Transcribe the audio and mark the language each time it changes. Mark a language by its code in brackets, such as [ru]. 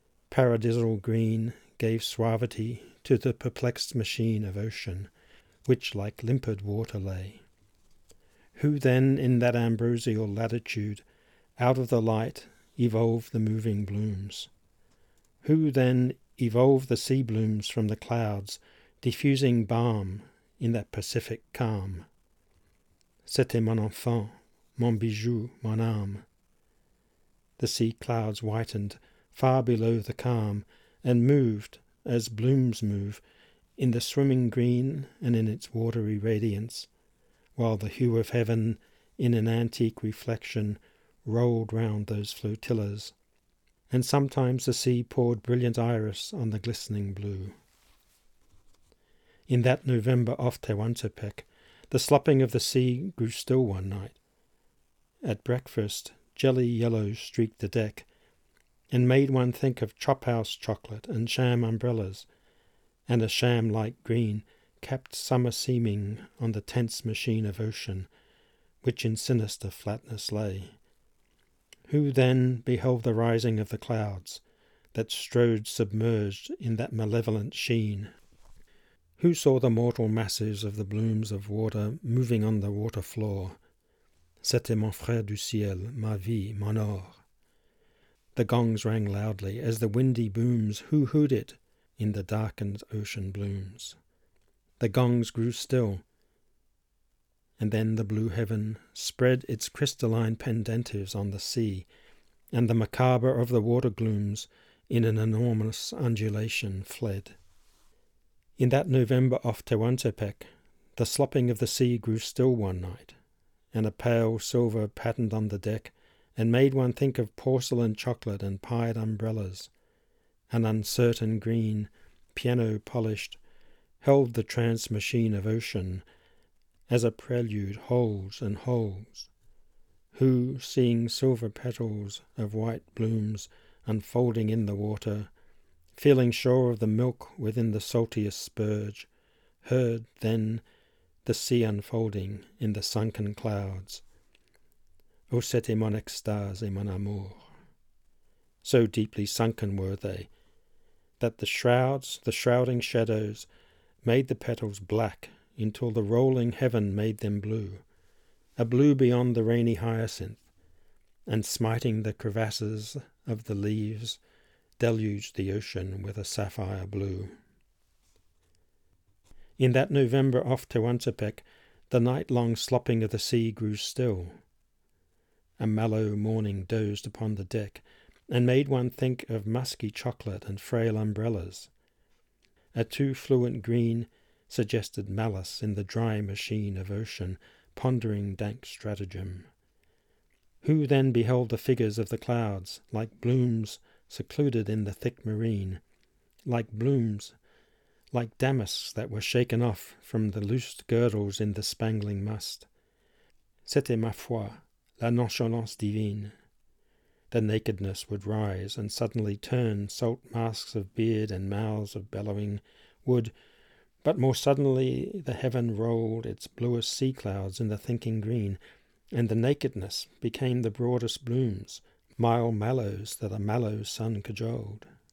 [en] Paradisal green gave suavity to the perplexed machine of ocean, which like limpid water lay. Who then in that ambrosial latitude, out of the light, evolved the moving blooms? Who then evolved the sea blooms from the clouds, diffusing balm in that Pacific calm? [fr] C'était mon enfant, mon bijou, mon âme. [en] The sea clouds whitened far below the calm, and moved, as blooms move, in the swimming green and in its watery radiance, while the hue of heaven, in an antique reflection, rolled round those flotillas, and sometimes the sea poured brilliant iris on the glistening blue. In that November off Tehuantepec, the slopping of the sea grew still one night. At breakfast, jelly yellow streaked the deck, and made one think of chop-house chocolate and sham umbrellas, and a sham-like green kept summer seeming on the tense machine of ocean, which in sinister flatness lay. Who then beheld the rising of the clouds that strode submerged in that malevolent sheen? Who saw the mortal masses of the blooms of water moving on the water floor? [fr] C'était mon frère du ciel, ma vie, mon or. [en] The gongs rang loudly as the windy booms hoo-hooed it in the darkened ocean blooms. The gongs grew still, and then the blue heaven spread its crystalline pendentives on the sea, and the macabre of the water glooms in an enormous undulation fled. In that November off Tehuantepec, the slopping of the sea grew still one night, and a pale silver patterned on the deck and made one think of porcelain chocolate and pied umbrellas. An uncertain green, piano-polished, held the trance machine of ocean as a prelude holds and holds. Who, seeing silver petals of white blooms unfolding in the water, feeling sure of the milk within the saltiest spurge, heard then the sea unfolding in the sunken clouds. [fr] O c'était mon extase, mon amour. [en] So deeply sunken were they, that the shrouds, the shrouding shadows, made the petals black until the rolling heaven made them blue, a blue beyond the rainy hyacinth, and smiting the crevasses of the leaves, deluged the ocean with a sapphire blue. In that November off Tehuantepec, the night-long slopping of the sea grew still. A mellow morning dozed upon the deck and made one think of musky chocolate and frail umbrellas. A too fluent green suggested malice in the dry machine of ocean, pondering dank stratagem. Who then beheld the figures of the clouds, like blooms secluded in the thick marine, like blooms, like damasks that were shaken off from the loosed girdles in the spangling mast? [fr] C'était ma foi, la nonchalance divine. [en] The nakedness would rise and suddenly turn, salt masks of beard and mouths of bellowing wood, but more suddenly the heaven rolled its bluest sea clouds in the thinking green, and the nakedness became the broadest blooms, mild mallows that a mallow sun cajoled.